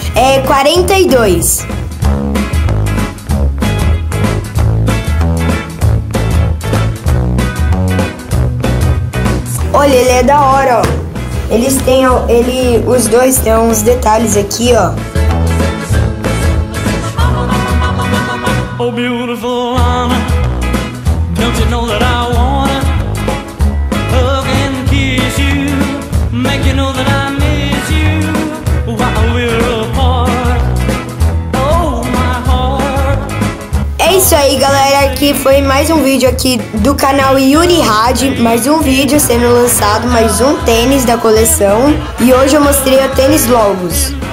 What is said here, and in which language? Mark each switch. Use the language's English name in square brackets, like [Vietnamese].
[Portuguese] É 42. Olha, ele é da hora, ó. Eles têm, ó, ele, os dois têm uns detalhes aqui, ó. [English] Oh, beautiful Anna, don't you know that I wanna hug and kiss you, make you know that I miss you while we're apart. Oh, my heart. [Portuguese] É isso aí, galera. Aqui foi mais um vídeo aqui do canal Yuri Had, mais um vídeo sendo lançado, mais um tênis da coleção. E hoje eu mostrei o tênis Logos.